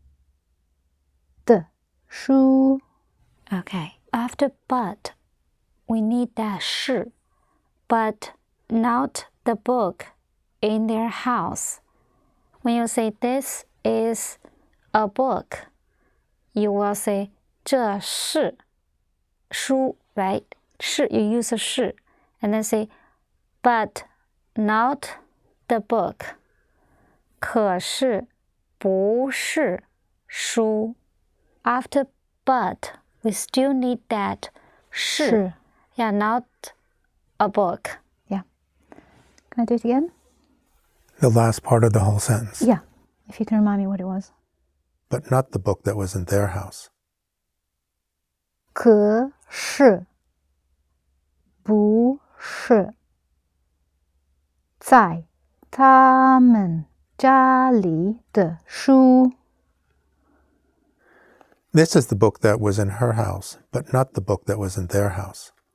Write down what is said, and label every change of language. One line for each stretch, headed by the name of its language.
Chinese: 可是不在他们家里的书
English: Okay, after but, we need that 是 But not the book in their house. When you say this is a book, you will say
Chinese: 这是书,
English: right? 是, you use a 是, and then say, but not the book.
Chinese: 可是不是书.
English: After but, we still need that 是. Yeah, not a book. Can I do it again? The last part of the whole sentence. Yeah, if you can remind me what it was. But not the book that was in their house.
Chinese: 可是不是在他们家里的书.
English: This is the book that was in her house, but not the book that was in their house.